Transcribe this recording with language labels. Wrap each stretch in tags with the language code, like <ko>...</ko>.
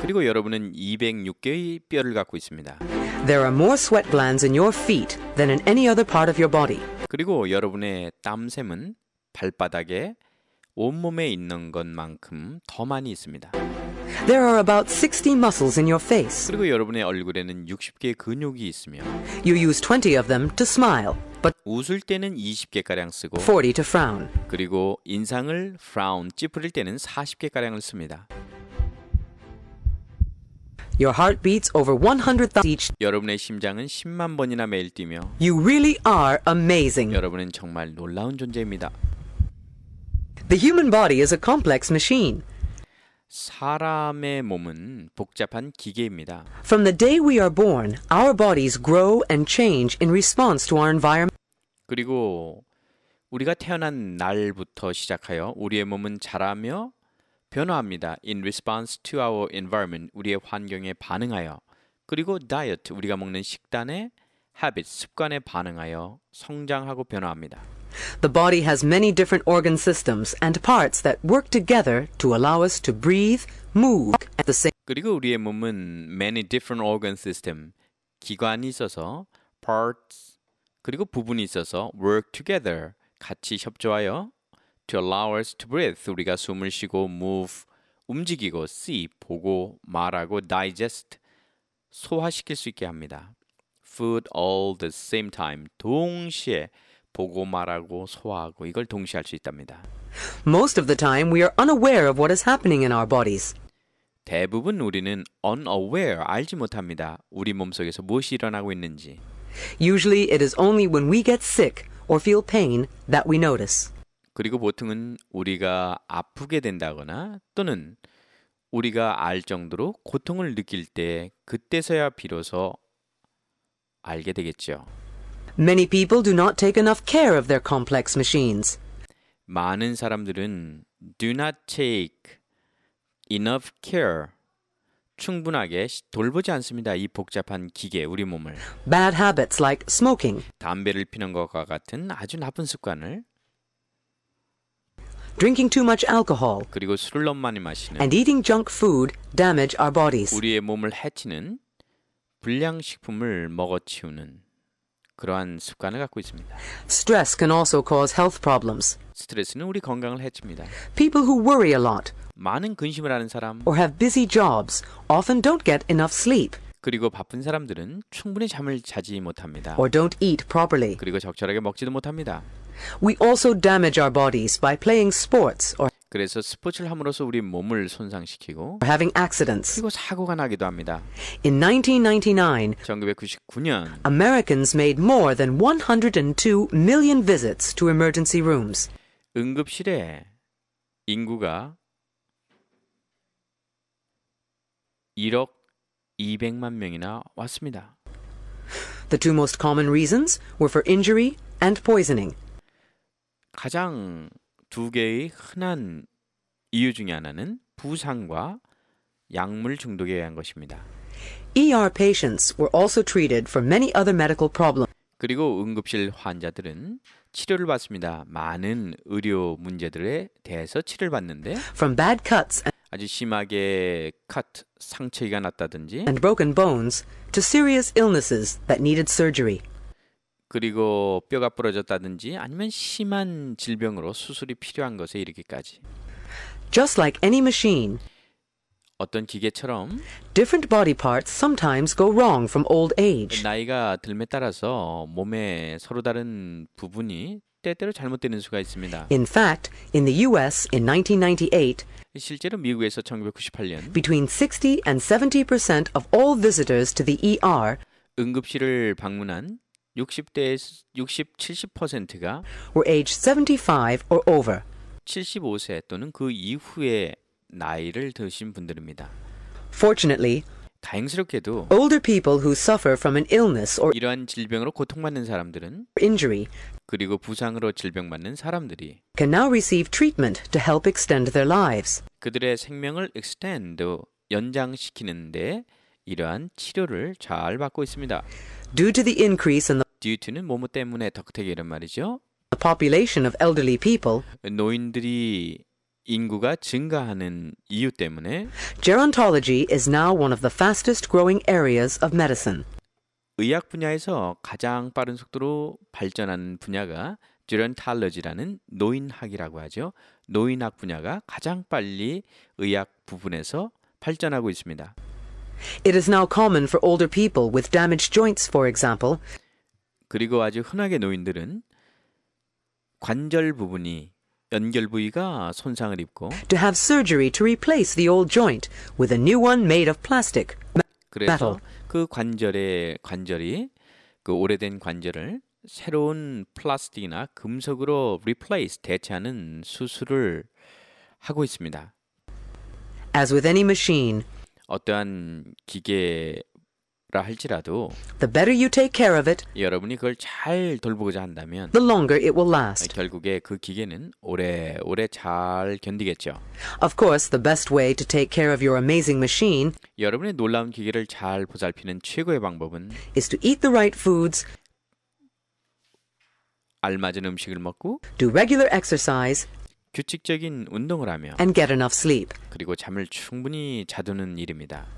<ko>그리고 여러분은 206개의 뼈를 갖고 있습니다.</ko> <en>There are more sweat glands in your feet than in any other part of your body.</en> <ko>그리고 여러분의 땀샘은 발바닥에 온몸에 있는 것만큼 더 많이 있습니다.</ko> <en>There are about 60 muscles in your face.</en> <ko>그리고 여러분의 얼굴에는 60개의 근육이 있으며</ko> <en>You use 20 of them to smile.</en> <ko>웃을 때는 20개가량 쓰고</ko> <en>40 to frown.</en> <ko>그리고 인상을 frown, 찌푸릴 때는 40개가량을 씁니다.</ko> <en>Your heart beats over 100,000 each.</en> <ko>여러분의 심장은 10만 번이나 매일 뛰며</ko> <en>You really are amazing.</en> <ko>여러분은 정말 놀라운 존재입니다.</ko> <en>The human body is a complex machine.</en> <ko>사람의 몸은 복잡한 기계입니다.</ko> <en>From the day we are born, our bodies grow and change in response to our environment.</en> <ko>그리고 우리가 태어난 날부터 시작하여 우리의 몸은 자라며 변화합니다.</ko> <en>In response to our environment,</en> <ko>우리의 환경에 반응하여 그리고 diet, 우리가 먹는 식단의 habit, 습관에 반응하여 성장하고 변화합니다.</ko> <en>The body has many different organ systems and parts that work together to allow us to breathe, move at the same.</en> <ko>그리고 우리의 몸은</ko> <en>many different organ system,</en> <ko>기관이 있어서 parts 그리고 부분이 있어서</ko> <en>work together,</en> <ko>같이 협조하여</ko> <en>to allow us to breathe,</en> <ko>우리가 숨을 쉬고 move, 움직이고 see, 보고 말하고 digest, 소화시킬 수 있게 합니다.</ko> <en>Food all the same time,</en> <ko>동시에 보고 말하고 소화하고 이걸 동시에 할 수 있답니다.</ko> <en>Most of the time we are unaware of what is happening in our bodies.</en> <ko>대부분 우리는 unaware, 알지 못합니다. 우리 몸속에서 무엇이 일어나고 있는지.</ko> <en>Usually it is only when we get sick or feel pain that we notice.</en> <ko>그리고 보통은 우리가 아프게 된다거나 또는 우리가 알 정도로 고통을 느낄 때 그때서야 비로소 알게 되겠죠.</ko> <en>Many people do not take enough care of their complex machines.</en> <ko>많은 사람들은</ko> <en>do not take enough care</en> <ko>충분하게 돌보지 않습니다. 이 복잡한 기계, 우리 몸을.</ko> <en>Bad habits like smoking.</en> <ko>담배를 피는 것과 같은 아주 나쁜 습관을.</ko> <en>Drinking too much alcohol.</en> <ko>그리고 술을 너무 많이 마시는.</ko> <en>And eating junk food damage our bodies.</en> <ko>우리의 몸을 해치는 불량식품을 먹어치우는 그러한 습관을 갖고 있습니다.</ko> <en>Stress can also cause health problems.</en> <ko>스트레스는 우리 건강을 해칩니다.</ko> <en>People who worry a lot.</en> <ko>많은 근심을 하는 사람</ko> <en>or have busy jobs often don't get enough sleep.</en> <ko>그리고 바쁜 사람들은 충분히 잠을 자지 못합니다.</ko> <en>or don't eat properly.</en> <ko>그리고 적절하게 먹지도 못합니다.</ko> <en>We also damage our bodies by playing sports or</en> <ko>그래서 스포츠를 함으로써 우리 몸을 손상시키고</ko> <en>or having accidents.</en> <ko>그리고 사고가 나기도 합니다.</ko> <en>In 1999,</en> <ko>1999년</ko> <en>Americans made more than 102 million visits to emergency rooms.</en> <ko>응급실에 인구가 1억 200만 명이나 왔습니다.</ko> <en>The two most common reasons were for injury and poisoning.</en> <ko>가장 두 개의 흔한 이유 중에 하나는 부상과 약물 중독에 의한 것입니다.</ko> <en>ER patients were also treated for many other medical problems.</en> <ko>그리고 응급실 환자들은 치료를 받습니다. 많은 의료 문제들에 대해서 치료를 받는데</ko> <en>From bad cuts and</en> <ko>아주 심하게 cut 상처가 났다든지</ko> <en>and broken bones to serious illnesses that needed surgery.</en> <ko>그리고 뼈가 부러졌다든지 아니면 심한 질병으로 수술이 필요한 것에 이르기까지.</ko> <en>Just like any machine.</en> <ko>어떤 기계처럼</ko> <en>different body parts sometimes go wrong from old age.</en> <ko>나이가 들매 따라서 몸의 서로 다른 부분이 때때로 잘못되는 수가 있습니다.</ko> <en>In fact, in the US in 1998,</en> <ko>실제로 미국에서 1998년</ko> <en>between 60 and 70% of all visitors to the ER</en> <ko>응급실을 방문한 60-70%가</ko> <en>were aged 75 or over.</en> <ko>75세 또는 그 이후에 나이를 드신 분들입니다.</ko> <en>Fortunately,</en> <ko>다행스럽게도</ko> <en>older people who suffer from an illness or</en> <ko>이러한 질병으로 고통받는 사람들은</ko> <en>injury</en> <ko>그리고 부상으로 질병받는 사람들이</ko> <en>can now receive treatment to help extend their lives.</en> <ko>그들의 생명을 extend 연장시키는 데 이러한 치료를 잘 받고 있습니다.</ko> <en>Due to the increase in the</en> <ko>due to는 뭐뭐 때문에 덕택이 이런 말이죠.</ko> <en>The population of elderly people</en> <ko>노인들이 인구가 증가하는 이유 때문에</ko> <en>Gerontology is now one of the fastest growing areas of medicine.</en> <ko>의학 분야에서 가장 빠른 속도로 발전하는 분야가 Gerontology라는 노인학이라고 하죠. 노인학 분야가 가장 빨리 의학 부분에서 발전하고 있습니다.</ko> <en>It is now common for older people with damaged joints, for example.</en> <ko>그리고 아주 흔하게 노인들은 관절 부분이 연결 부위가 손상을 입고</ko> <en>to have surgery to replace the old joint with a new one made of plastic.</en> <ko>그래서 그 관절이 그 오래된 관절을 새로운 플라스틱이나 금속으로 replace 대체하는 수술을 하고 있습니다.</ko> <en>As with any machine</en> <ko>어떠한 기계라 할지라도</ko> <en>the better you take care of it</en> <ko>여러분이 그걸 잘 돌보고자 한다면</ko> <en>the longer it will last</en> <ko>결국에 그 기계는 오래 잘 견디겠죠.</ko> <en>Of course, the best way to take care of your amazing machine</en> <ko>여러분의 놀라운 기계를 잘 보살피는 최고의 방법은</ko> <en>is to eat the right foods</en> <ko>알맞은 음식을 먹고</ko> <en>do regular exercise</en> <ko>규칙적인 운동을 하며</ko> <en>and get enough sleep.</en> <ko>그리고 잠을 충분히 자두는 일입니다.</ko>